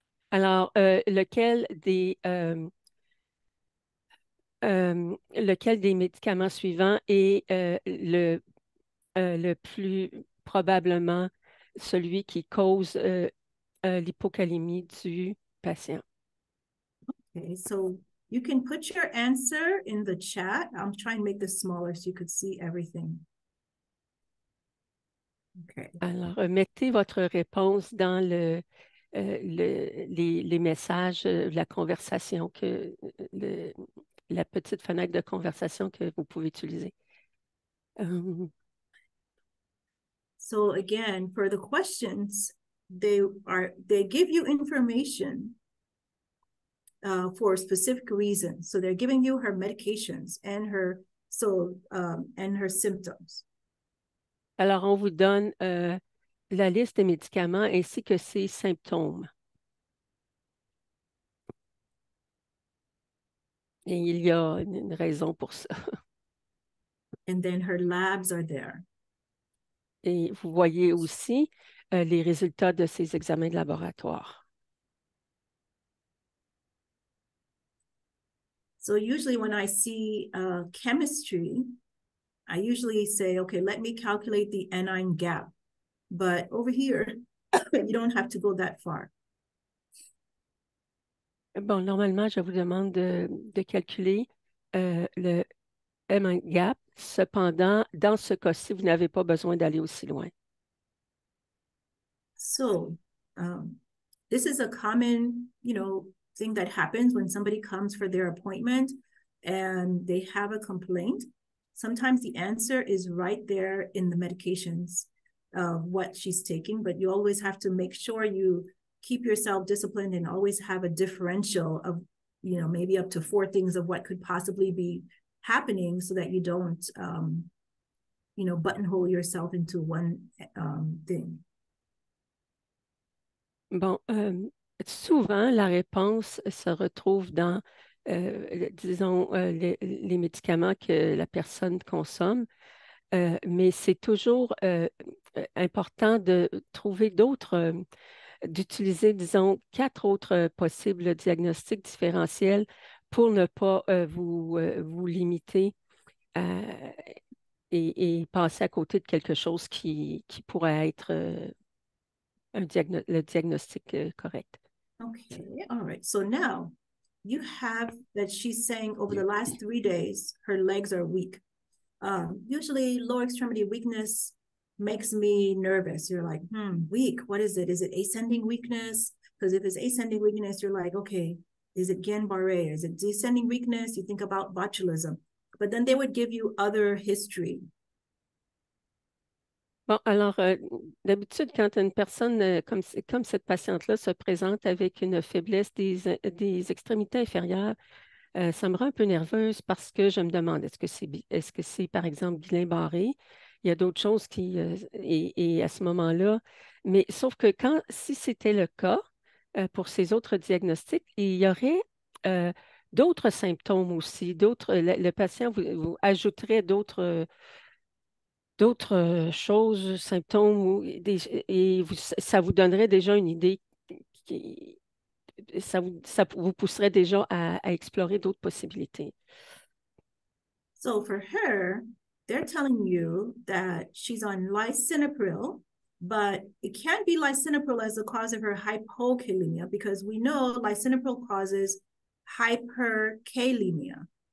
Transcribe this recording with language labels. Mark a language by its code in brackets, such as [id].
[fr] Alors, lequel des médicaments suivants est le plus probablement celui qui cause l'hypokalémie du patient? [en] Okay, so you can put your answer in the chat. I'm trying to make this smaller so you could see everything. Okay. [fr] Alors, mettez votre réponse dans les messages, la conversation que la petite fenêtre de conversation que vous pouvez utiliser. [en] So again, for the questions, they give you information for a specific reason. So they're giving you her medications and her symptoms. [fr] Alors, on vous donne la liste des médicaments ainsi que ses symptômes. Et il y a une raison pour ça. [en] And then her labs are there. [fr] Et vous voyez aussi les résultats de ces examens de laboratoire. [en] So usually when I see chemistry, I usually say, okay, let me calculate the anion gap. But over here, you don't have to go that far. [fr] Bon, normalement, je vous demande de calculer le M1 gap. Cependant, dans ce cas-ci, vous n'avez pas besoin d'aller aussi loin. [en] So, this is a common, thing that happens when somebody comes for their appointment and they have a complaint. Sometimes the answer is right there in the medications of what she's taking, but you always have to make sure you keep yourself disciplined and always have a differential of, maybe up to four things of what could possibly be happening so that you don't, buttonhole yourself into one thing. [fr] Bon, souvent, la réponse se retrouve dans, disons, les médicaments que la personne consomme, mais c'est toujours important de trouver d'utiliser, disons, quatre autres possibles diagnostics différentiels pour ne pas vous limiter et passer à côté de quelque chose qui pourrait être. Le diagnostic correct. [en] Okay, all right. So now you have that she's saying over the last 3 days, her legs are weak. Usually lower extremity weakness makes me nervous. You're like, weak, what is it? Is it ascending weakness? Because if it's ascending weakness, you're like, okay, is it Guillain-Barré? Is it descending weakness? You think about botulism. But then they would give you other history. [fr] Bon, alors, d'habitude, quand une personne comme cette patiente-là se présente avec une faiblesse des extrémités inférieures, ça me rend un peu nerveuse parce que je me demande, est-ce que c'est, par exemple, Guillain-Barré? Il y a d'autres choses qui, et à ce moment-là, mais sauf que quand, si c'était le cas, pour ces autres diagnostics, il y aurait, d'autres symptômes aussi, le patient vous ajouterait d'autres choses, symptômes, ça vous donnerait déjà une idée, ça vous pousserait déjà à explorer d'autres possibilités. [en] So for her, they're telling you that she's on lisinopril, but it can't be lisinopril as the cause of her hypokalemia because we know lisinopril causes hyperkalemia.